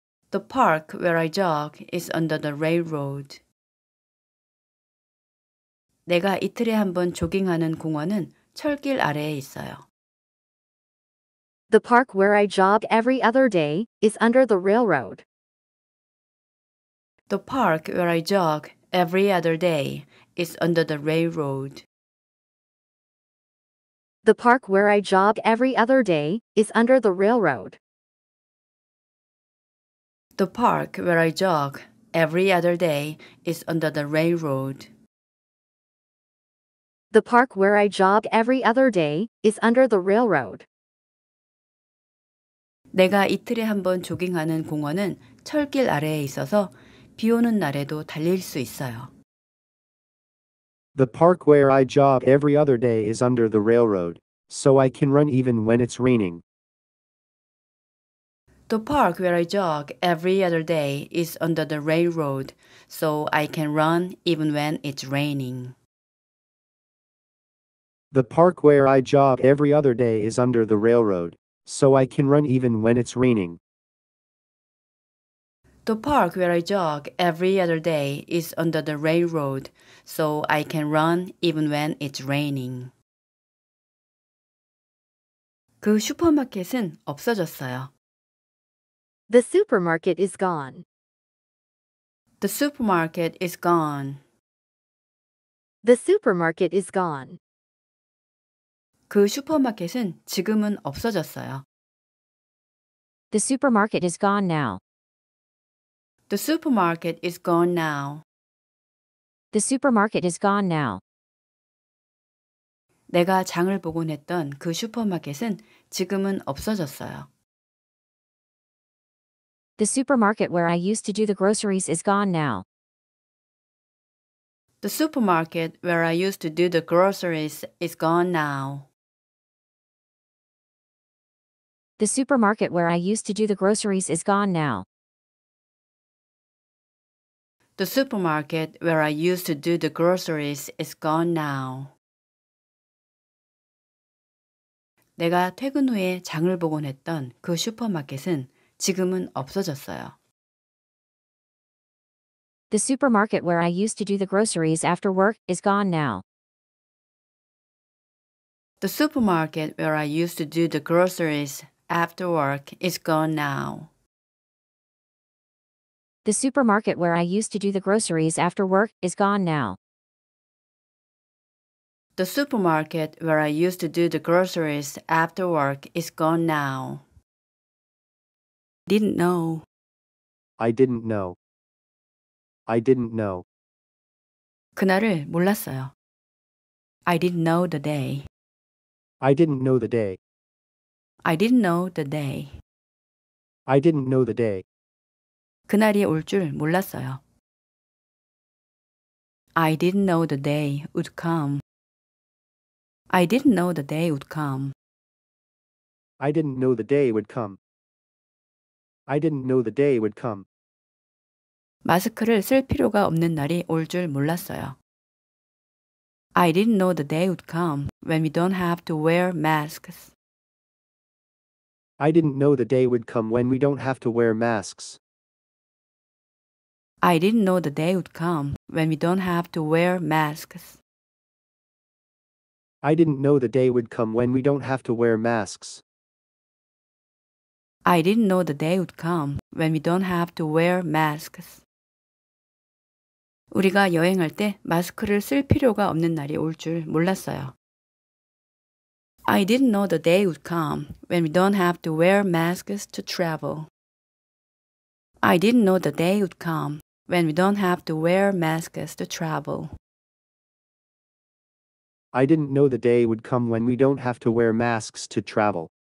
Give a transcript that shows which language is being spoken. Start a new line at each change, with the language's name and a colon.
English: The park where I jog is under the railroad.
Korean: 내가 이틀에 한 번 조깅하는 공원은 철길 아래에 있어요.
English: The park where I jog every other day is under the railroad. The park where I jog every other day is under the railroad. The park where I jog every other day is under the railroad. The park where I jog every other day is under the railroad. The park where I jog every other day is under the railroad.
Korean: 내가 이틀에 한 번 조깅하는 공원은 철길 아래에 있어서 비 오는 날에도 달릴 수 있어요.
English: The park where I jog every other day is under the railroad, so I can run even when it's raining. The park where I jog every other day is under the railroad, so I can run even when it's raining. The park where I jog every other day is under the railroad, so I can run even when it's raining. The park where I jog every other day is under the railroad, so I can run even when it's raining.
Korean: 그 슈퍼마켓은 없어졌어요.
English: The supermarket is gone. The supermarket is gone. The supermarket is gone.
Korean: 그 슈퍼마켓은 지금은 없어졌어요.
English: The supermarket is gone now. The supermarket is gone now. The supermarket is gone now.
Korean: 내가 장을 보고 냈던 그 슈퍼마켓은 지금은 없어졌어요.
English: The supermarket where I used to do the groceries is gone now. The supermarket where I used to do the groceries is gone now. The supermarket where I used to do the groceries is gone now. The supermarket where I used to do the groceries is gone now.
Korean: 내가 퇴근 후에 장을 보고 냈던 그 슈퍼마켓은 지금은 없어졌어요.
English: The supermarket where I used to do the groceries after work is gone now. The supermarket where I used to do the groceries after work is gone now. The supermarket where I used to do the groceries after work is gone now. The supermarket where I used to do the groceries after work is gone now. Didn't know. I didn't know. I didn't know.
Korean: 그날을 몰랐어요.
English: I didn't know the day. I didn't know the day. I didn't know the day. I didn't know the day.
Korean: 그날이 올 줄 몰랐어요.
English: I didn't know the day would come. I didn't know the day would come. I didn't know the day would come. I didn't know the day would come.
Korean: 마스크를 쓸 필요가 없는 날이 올 줄 몰랐어요.
English: I didn't know the day would come when we don't have to wear masks. I didn't know the day would come when we don't have to wear masks. I didn't know the day would come when we don't have to wear masks. I didn't know the day would come when we don't have to wear masks. I didn't know the day would come when we don't have to wear masks.
Korean: 우리가 여행할 때 마스크를 쓸 필요가 없는 날이 올 줄 몰랐어요.
English: I didn't know the day would come when we don't have to wear masks to travel. I didn't know the day would come when we don't have to wear masks to travel. I didn't know the day would come when we don't have to wear masks to travel.